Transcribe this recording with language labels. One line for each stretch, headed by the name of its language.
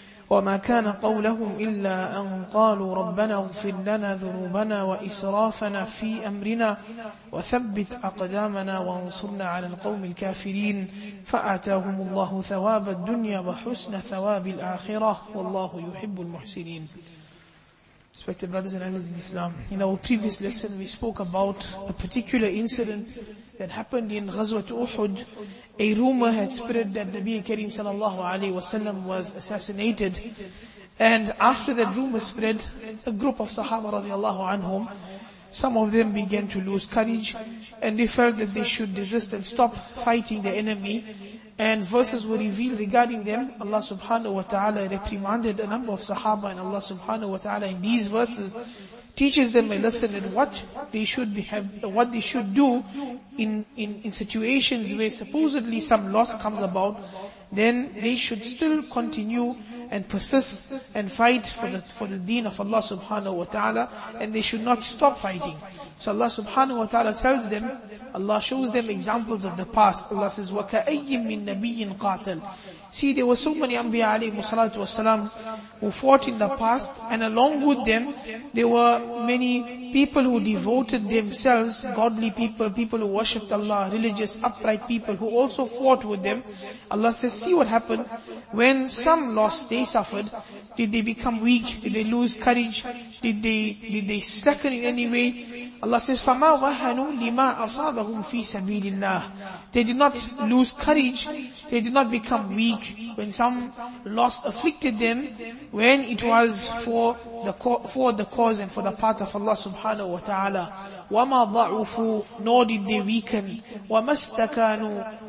Arabic: وما كان قولهم إلا أن قالوا ربنا اغفر لنا ذنوبنا وإسرافنا في أمرنا وثبت أقدامنا وانصرنا على القوم الكافرين. فآتاهم الله ثواب الدنيا وحسن ثواب الآخرة والله يحب المحسنين.
English: Respected brothers and elders in Islam, in our previous lesson we spoke about a particular incident that happened in Ghazwat Uhud. A rumor had spread that Nabi Kareem sallallahu alayhi wasallam was assassinated. And after that rumor spread, a group of Sahaba radiallahu anhum, some of them began to lose courage and they felt that they should desist and stop fighting the enemy. And verses were revealed regarding them. Allah subhanahu wa ta'ala reprimanded a number of sahaba, and Allah subhanahu wa ta'ala in these verses teaches them a lesson in what they should do in situations where supposedly some loss comes about. Then they should still continue and persist and fight for the deen of Allah subhanahu wa ta'ala, and they should not stop fighting. So Allah subhanahu wa ta'ala tells them, Allah shows them examples of the past. Allah says,
Arabic: وَكَأَيِّمْ مِن نَبِيٍ قَاتَلْ.
English: See, there were so many Anbiya alayhi salatu wasalam who fought in the past, and along with them, there were many people who devoted themselves, godly people, people who worshipped Allah, religious, upright people who also fought with them. Allah says, see what happened when some lost, they suffered. Did they become weak? Did they lose courage? Did they slacken in any way? Allah says,
Arabic: فَمَا وَهَنُوا لِمَا أَصَابَهُمْ فِي سَبِيلِ اللَّهِ.
English: They did not lose courage. They did not become weak when some loss afflicted them, when it was for the cause and for the part of Allah subhanahu wa ta'ala.
Arabic: وَمَا ضَعُفُوا.
English: Nor did they weaken.
Arabic: وَمَا اسْتَكَانُوا.